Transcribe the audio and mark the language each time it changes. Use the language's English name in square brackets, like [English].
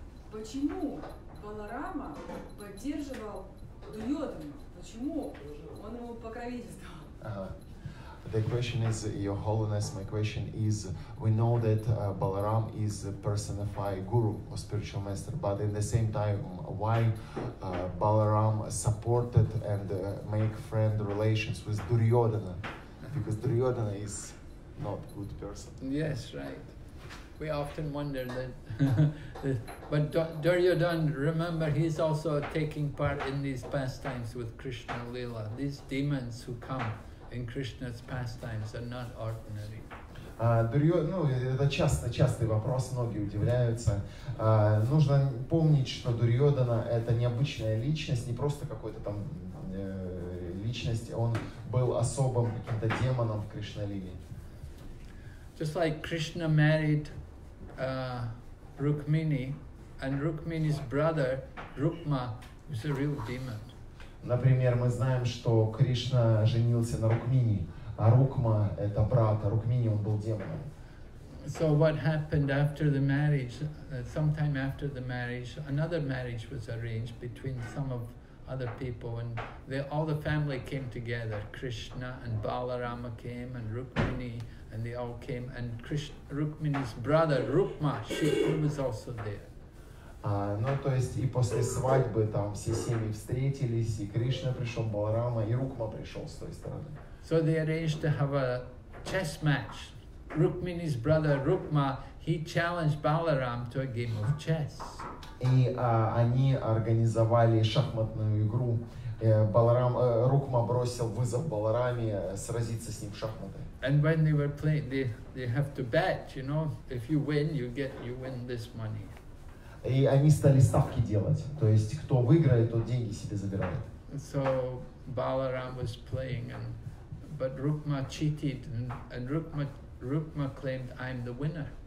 [Russian] Почему Баларама поддерживал Дурьотхану? Почему он ему покровительствовал? [English] The question is, Your Holiness, my question is, we know that Balaram is a personified guru or spiritual master, but in the same time, why Balaram supported and make friend relations with Duryodhana? Because Duryodhana is not good person. Yes, right. We often wonder that, but Duryodhana, remember, he's also taking part in these pastimes with Krishna Lila, these demons who come. In Krishna's pastimes are not ordinary. [Russian] Ну, это частый вопрос, многие удивляются. Нужно помнить, что Дурьодхана — это необычная личность, не просто какой-то там личность, он был особым каким-то демоном в Кришналиле. [English] Just like Krishna married Rukmini, and Rukmini's brother, Rukma, was a real demon. [Russian] Например, мы знаем, что Кришна женился на Рукмини, а Рукма — это брат, а Рукмини — он был демоном. [English] So what happened after the marriage, sometime after the marriage, another marriage was arranged between some of other people, and all the family came together. Krishna and Balarama came, and Rukmini, and they all came, and Rukmini's brother, Rukma, he was also there. [Russian] То есть и после свадьбы там все семьи встретились, и Кришна пришел, Баларама и Рукма пришел с той стороны. [English] So they arranged to have a chess match. Rukmini's brother Rukma, he challenged Balaram to a game of chess. [Russian] И они организовали шахматную игру. Рукма бросил вызов Балараме сразиться с ним в шахматы. [English] And when they were playing, they have to bet, you know, if you win, you win this money. [Russian] И они стали ставки делать, то есть кто выиграет, тот деньги себе забирает. [English] So Balaram was playing, but Rukma cheated, and Rukma claimed, "I'm the winner."